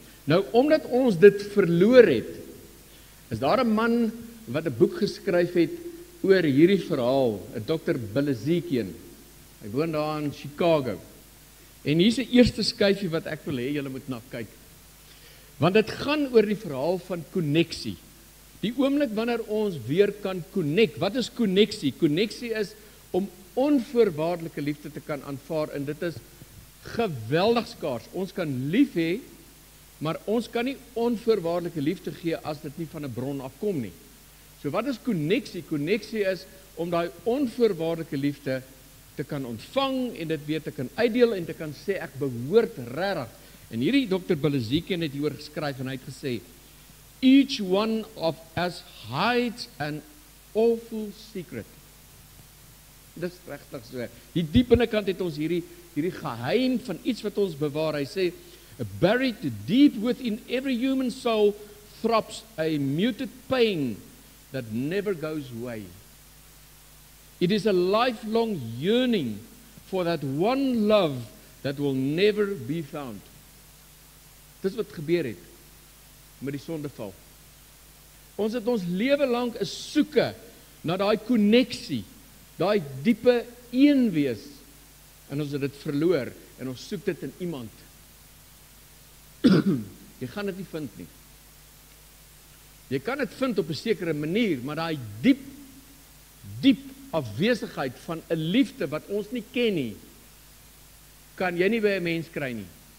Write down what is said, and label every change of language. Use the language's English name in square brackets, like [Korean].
[Afrikaans] Nou, omdat ons dit verloor het, is daar 'n man wat 'n boek geskryf het oor hierdie verhaal, 'n Dr. Belezekien. Hy woon daar in Chicago. En hier is die eerste skyfie wat ek wil hê, julle moet na kyk. Want dit gaan oor die verhaal van koneksie. Die oomblik wanneer ons weer kan konek, wat is koneksie? Koneksie is om onvoorwaardelike liefde te kan aanvaar, en dit is geweldig skaars. Ons kan lief hê, maar ons kan nie onvoorwaardelike liefde gee as dit nie van 'n bron afkom nie. So wat is koneksie? Koneksie is om die onvoorwaardelike liefde te kan ontvang en dit weer te kan uitdeel en te kan sê ek behoort regtig. En hierdie Dr. Belezekien het hieroor geskryf en hy het gesê, [English] each one of us hides an awful secret. [Afrikaans] Dit is regtig so. Die diep binnekant het ons hierdie geheim van iets wat ons bewaar. Hy sê, [English] buried deep within every human soul throbs a muted pain that never goes away. It is a lifelong yearning for that one love that will never be found. [Afrikaans] Dit is wat gebeur het met die sondeval. Ons het ons lewe lank 'n soeke na daai koneksie, daai diepe eenwees, en ons het dit verloor, en ons soek dit in iemand. Jy gaan dit nie vind nie. Jy kan dit vind op 'n sekere manier, maar daai diep, diep afwesigheid van 'n liefde wat ons nie ken nie, kan jy nie by 'n mens kry nie.